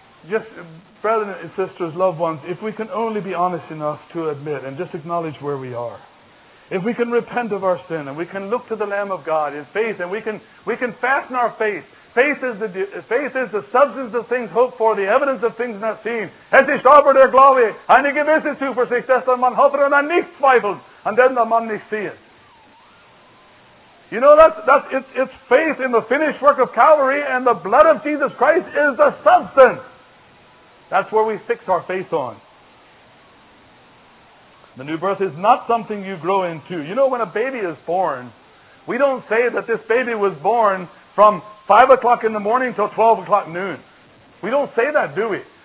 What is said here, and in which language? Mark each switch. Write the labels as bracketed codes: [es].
[en] just brethren and sisters, loved ones, if we can only be honest enough to admit and just acknowledge where we are. If we can repent of our sin and we can look to the Lamb of God in faith and we can fasten our faith. Faith is the substance of things hoped for, the evidence of things not seen. [de] Es ist aber der Glaube, eine gewisse Zuversicht, dass man hofft und man nicht zweifelt, und dann der Mann nicht sieht. [en] You know, it's faith in the finished work of Calvary, and the blood of Jesus Christ is the substance. That's where we fix our faith on. The new birth is not something you grow into. You know, when a baby is born, we don't say that this baby was born from 5 o'clock in the morning till 12 o'clock noon. We don't say that, do we?